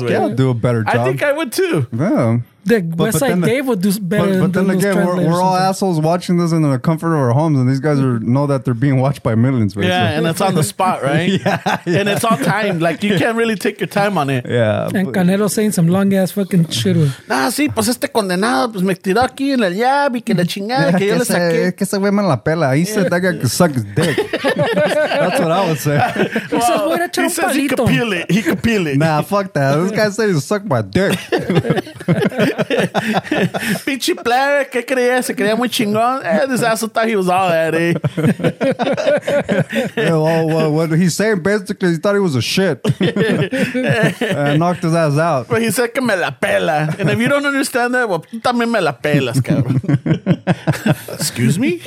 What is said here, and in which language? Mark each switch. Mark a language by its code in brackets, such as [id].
[en] man. Yeah, I'll do a better job. I think I would too. Yeah. The West Side Dave would do better. But then again, we're all assholes watching this in the comfort of our homes, and these guys are know that they're being watched by millions. Basically. Yeah, and it's on the spot, right? Yeah, and it's on time. Like you can't really take your time on it. Yeah. And Canelo saying some long ass fucking shit. [es] Nah, sí, pues este condenado pues me tiró aquí en el jab y que la chingada que yo le saqué. Es que ese güey me la pela. [en] He said that guy could suck his dick. That's what I would say. He says, [es] voy a echar un palito. [en] He could peel it. He could peel it. Nah, fuck that. This guy said he suck my dick. [es] Pinche player, que creía, se creía muy chingón. [en] This asshole thought he was all that, eh? Yeah, well, what he's saying basically, he thought he was a shit. And knocked his ass out. But he said, [es] que me la pela. [en] And if you don't understand that, well, [es] también me la pelas, cabrón. [en] Excuse me?